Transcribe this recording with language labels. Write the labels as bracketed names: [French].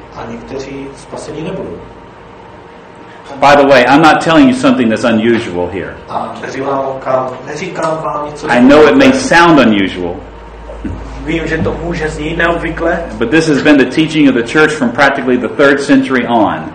[Czech] A někteří spasení nebudou. [English] By the way, I'm not telling you something that's unusual here. I know it may sound unusual. [Czech] Vím, že to může znít neobvykle. [English] But this has been the teaching of the church from practically the 3rd century on.